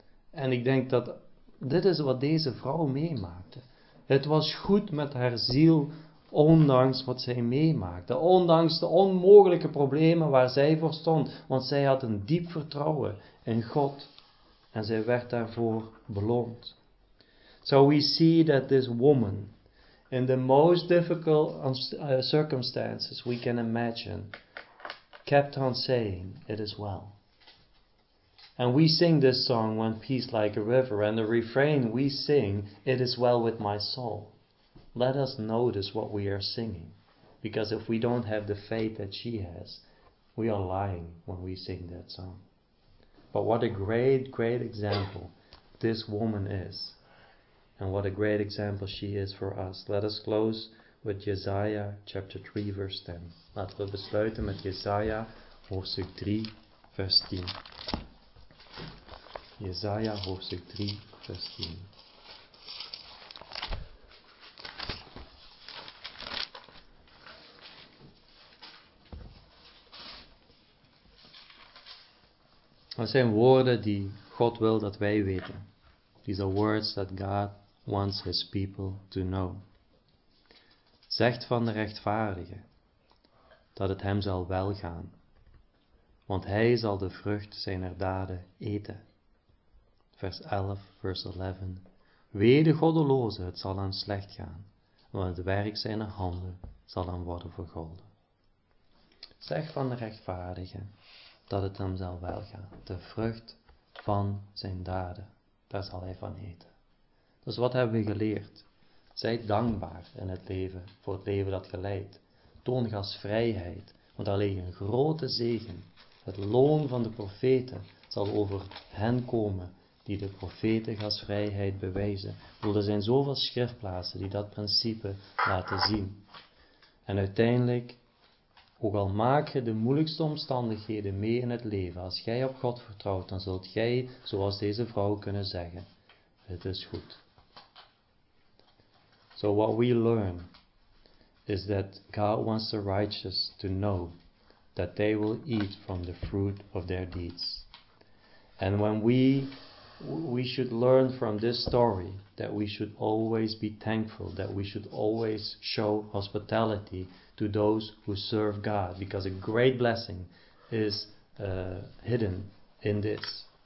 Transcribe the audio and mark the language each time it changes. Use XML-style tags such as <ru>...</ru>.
<nl>En ik denk dat dit is wat deze vrouw meemaakte. Het was goed met haar ziel, ondanks wat zij meemaakte. Ondanks de onmogelijke problemen waar zij voor stond. Want zij had een diep vertrouwen in God. En zij werd daarvoor beloond.</nl> <en>So we see that this woman, in the most difficult circumstances we can imagine, kept on saying, it is well. And we sing this song, When Peace Like a River, and the refrain we sing, It is well with my soul. Let us notice what we are singing, because if we don't have the faith that she has, we are lying when we sing that song. But what a great, great example this woman is, and what a great example she is for us. Let us close with Jesaja chapter 3 verse 10.</en> <nl>Laten we besluiten met Jesaja hoofdstuk 3 vers 10. Jesaja hoofdstuk 3 vers 10. Dat zijn woorden die God wil dat wij weten.</nl> <en>These are words that God wants his people to know.</en> <nl>Zegt van de rechtvaardige dat het hem zal welgaan, want hij zal de vrucht zijner daden eten. Vers 11, vers 11. Wee de goddeloze, het zal hem slecht gaan, want het werk zijner handen zal hem worden vergolden. Zeg van de rechtvaardige dat het hem zal welgaan. De vrucht van zijn daden, daar zal hij van eten. Dus wat hebben we geleerd? Zij dankbaar in het leven, voor het leven dat geleidt. Toon gastvrijheid, want daar ligt een grote zegen. Het loon van de profeten zal over hen komen die de profeten gastvrijheid bewijzen. Er zijn zoveel schriftplaatsen die dat principe laten zien. En uiteindelijk, ook al maak je de moeilijkste omstandigheden mee in het leven, als jij op God vertrouwt, dan zult jij, zoals deze vrouw, kunnen zeggen, het is goed.</nl> <en>So what we learn is that God wants the righteous to know that they will eat from the fruit of their deeds. And when we should learn from this story that we should always be thankful, that we should always show hospitality to those who serve God, because a great blessing is hidden in this.</en>